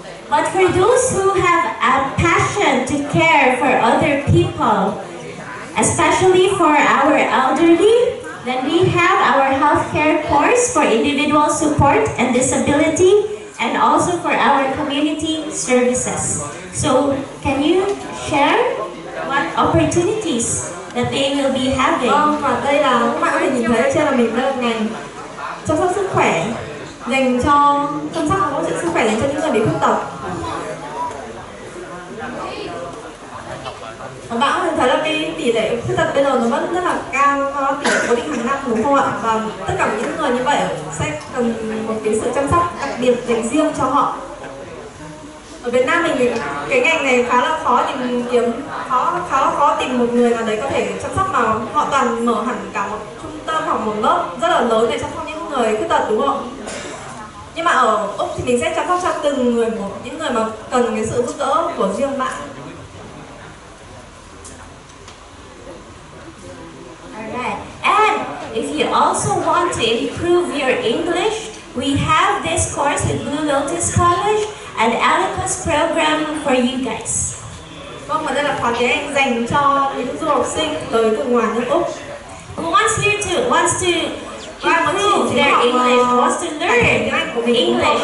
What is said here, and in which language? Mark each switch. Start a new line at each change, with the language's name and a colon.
English: But for those who have a passion to care for other people, especially for our elderly, then we have our healthcare course for individual support and disability, and also for our community services. So can you share what opportunities that they will be having?
Vietnamese: Vâng, và đây là các bạn có thể nhìn thấy trên là mình đang ngành chăm sóc sức khỏe, dành cho chăm sóc hỗ trợ sức khỏe dành cho những người bị khuyết tật. Các bạn có thể thấy là cái tỷ lệ khuyết tật bây giờ nó vẫn rất là cao, tỷ lệ cố định hàng năm đúng không ạ? Và tất cả những người như vậy sẽ cần một cái sự chăm sóc đặc biệt dành riêng cho họ. Ở Việt Nam mình cái ngành này khá là khó tìm kiếm, khó tìm một người nào đấy có thể chăm sóc, mà họ toàn mở hẳn cả một trung tâm hoặc một lớp rất là lớn để chăm sóc những người khuyết tật đúng không? Nhưng mà ở Úc thì mình sẽ chăm sóc cho từng người một, những người mà cần cái sự giúp đỡ của riêng bạn.
English: And if you also want to improve your English, we have this course at Blue Lotus College, an Alicus program for you guys.
Vietnamese: Vâng, và đây là khóa tiếng Anh dành cho những du học sinh tới từ ngoài nước Úc.
English: Who wants here to wants to improve their English, wants to learn English?